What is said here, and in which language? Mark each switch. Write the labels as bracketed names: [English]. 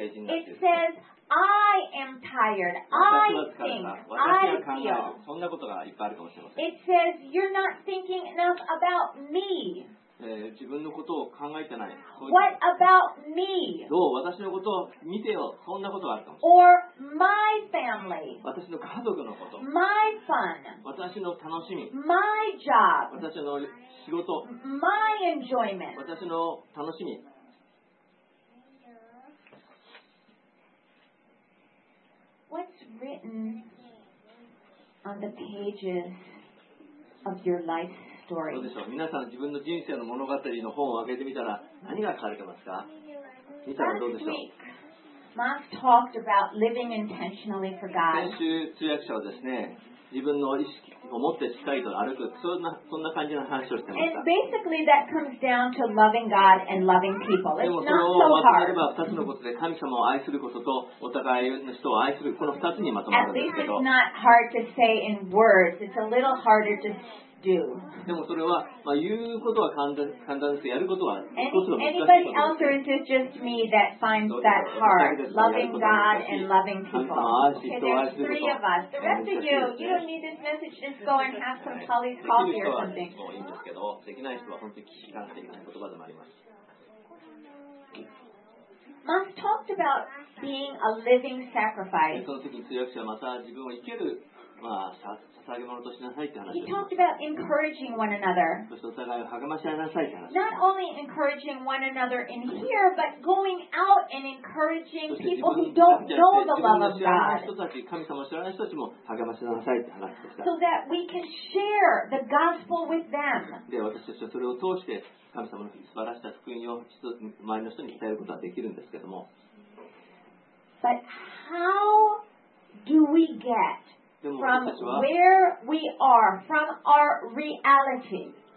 [English] It says I am tired. I think. I feel. It says you're not thinking enough about me. [Japanese] 自分のことを考えてない。 [English] What about me? [Japanese] どう私のことを見てよ。そんなことがあるかもしれない。 [English] Or my family. [Japanese] 私の家族のこと。 [English] My fun. [Japanese] 私の楽しみ。 [English] My job. [Japanese] 私の仕事。 [English] My enjoyment. [Japanese] 私の楽しみ。 [English] What's written on the pages of your life? [Japanese] どうでしょう皆さん自分の人生の物語の本を開けてみたら何が書かれてますか見たらどうでしょう [English] Mark talked about living intentionally for God. [Japanese] 先週通訳者はですね自分の意識を持ってしっかりと歩くそんな感じの話をしてました [English] And basically that comes down to loving God and loving people. It's not so hard. [Japanese] でもそれをまとめれば2つのことで神様を愛することとお互いの人を愛するこの2つにまとまるんですけど [English] At least it's not hard to say in words. It's a little harder to [Japanese] でもそれは、まあ、言うことは簡単ですけどやることは [English] Anybody else or is it just me that finds that hard? Loving God and loving people. Okay, there's three of us. The rest of you, you don't need this message. Just go and have some Polly's coffee or something. [Japanese] できる人はいいんですけど、できない人は本当に聞かなきゃいけない言葉でもあります。 [English] Moss talked about being a living sacrifice. [Japanese] その時に通訳者はまた自分を生けるまあ、捧げ物としなさいって話をしました。 [English] He talked about encouraging one another. [Japanese] そしてお互いを励まし合いなさいって話。 [English] Not only encouraging one another in here, but going out and encouraging people who don't know the love of God. [Japanese] 自分の知らない人たち、神様を知らない人たちも励まし合いなさいって話でした。 [English] So that we can share the gospel with them. [Japanese] で、私たちはそれを通して神様の素晴らしい福音を周りの人に伝えることができるんですけども。 [English] But how do we get? From where we are, from our reality.